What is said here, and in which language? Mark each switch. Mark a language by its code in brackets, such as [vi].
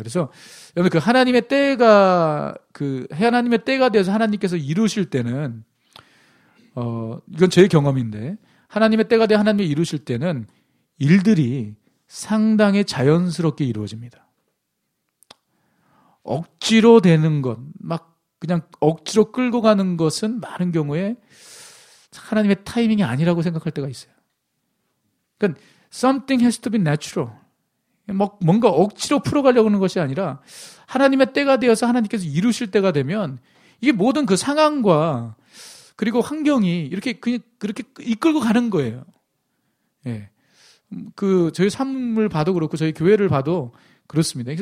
[ko] 그래서 여러분 그 하나님의 때가 그 하나님의 때가 돼서 하나님께서 이루실 때는 이건 제 경험인데 하나님의 때가 돼 하나님이 이루실 때는 일들이 상당히 자연스럽게 이루어집니다. 억지로 되는 것, 막 그냥 억지로 끌고 가는 것은 많은 경우에 하나님의 타이밍이 아니라고 생각할 때가 있어요. 그러니까 [en] something has to be natural. [ko] 뭔가 억지로 풀어가려고 하는 것이 아니라 하나님의 때가 되어서 하나님께서 이루실 때가 되면 이게 모든 그 상황과 그리고 환경이 이렇게 그냥 그렇게 이끌고 가는 거예요. 예. 그 저희 삶을 봐도 그렇고 저희 교회를 봐도 그렇습니다.